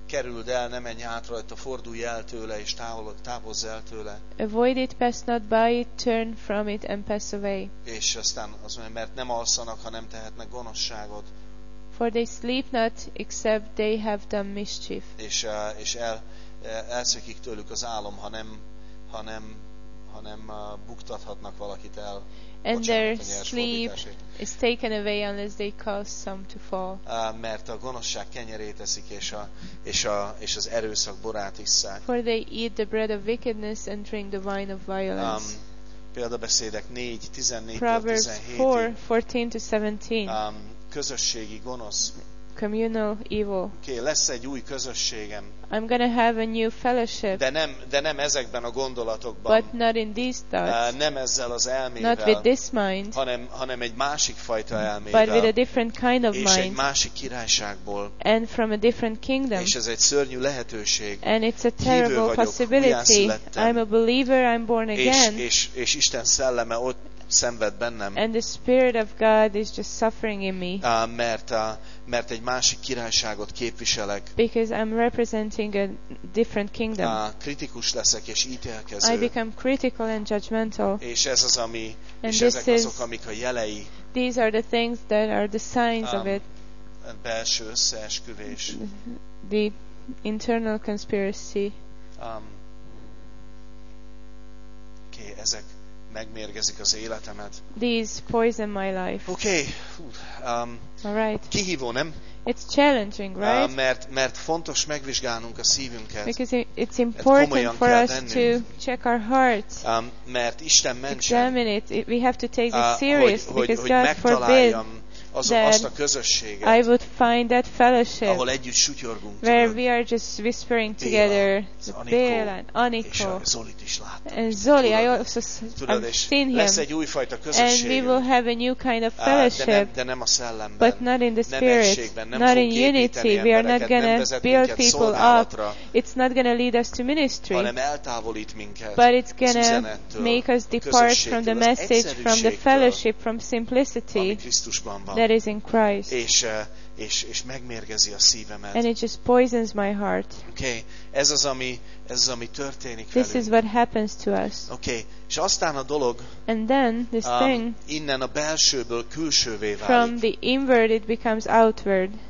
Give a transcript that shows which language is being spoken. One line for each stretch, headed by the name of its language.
Hungarian: Kerüld el, ne menj át rajta, fordulj el tőle, és távozz el tőle.
English: Avoid it, pass not by it, turn from it, and pass away.
Hungarian: És aztán azt mondja, mert nem alszanak, hanem tehetnek gonoszságot.
English: For they sleep not, except they have done mischief.
Hungarian: És elszökik tőlük az álom, ha nem buktathatnak valakit el.
English: And their sleep is taken away unless they cause some to fall.
Hungarian: Mert a gonoszság kenyerét eszik, és az erőszak borát isszák.
English: For they eat the bread of wickedness and drink the wine of violence.
Hungarian: Példabeszédek 4:14-17.
English: Proverbs 4:14-17.
Hungarian: Közösségi gonosz.
English: Communal evil.
Hungarian: Okay, lesz egy új közösségem.
English: I'm gonna have a new fellowship.
Hungarian: De nem ezekben a gondolatokban.
English: But not in these thoughts.
Hungarian: Nem ezzel az elmével.
English: Not with this mind.
Hungarian: Hanem egy másik fajta elmével.
English: But with a different kind of mind.
Hungarian: És egy másik királyságból.
English: And from a different kingdom.
Hungarian: És ez egy szörnyű lehetőség.
English: And it's a terrible possibility. I'm a believer. I'm born again.
Hungarian: És Isten szelleme ott szenved bennem.
English: And the spirit of God is just suffering in me.
Hungarian: Mert egy másik királyságot képviselek.
English: Because I'm representing a different kingdom.
Hungarian: Kritikus leszek és ítélkező.
English: I become critical and judgmental.
Hungarian: És ez az, ami, and és ezek is, azok, amik a jelei.
English: These are the things that are the signs of it.
Hungarian: A belső összeesküvés.
English: The internal conspiracy.
Hungarian: Okay, ezek megmérgezik az életemet.
English: These poison my life. Okay. All right.
Hungarian: Kihívó, nem?
English: It's challenging, right?
Hungarian: Mert fontos megvizsgálnunk a szívünket.
English: Because it's important for us to check our hearts.
Hungarian: Mert Isten mentsen.
English: Examine it. We have to take this serious because
Hungarian: hogy
English: God forbid.
Hungarian: Azt a közösséget.
English: I would find that fellowship.
Hungarian: Ahol együtt sutyorgunk.
English: Where we are just whispering Béla, together. Béla, Aniko.
Hungarian: És Zolit is láttam.
English: And Zoli, I've seen him.
Hungarian: Lesz egy újfajta közösség.
English: And we will have a new kind of fellowship.
Hungarian: De nem a szellemben.
English: But not in the spirit. Not in unity. We are not going to build people up. It's not going to lead us to ministry.
Hungarian: Hanem eltávolít minket.
English: But it's going to make us depart from the message, from the fellowship, from simplicity.
Hungarian: Ami Krisztusban van.
English: That is in Christ.
Hungarian: És megmérgezi a szívemet.
English: And it just poisons my heart.
Hungarian: Okay, ez az ami történik velünk.
English: This is what happens to us.
Hungarian: Okay, és aztán a dolog.
English: And then this thing.
Hungarian: Innen a belsőből külsővé válik.
English: From the inward it becomes outward.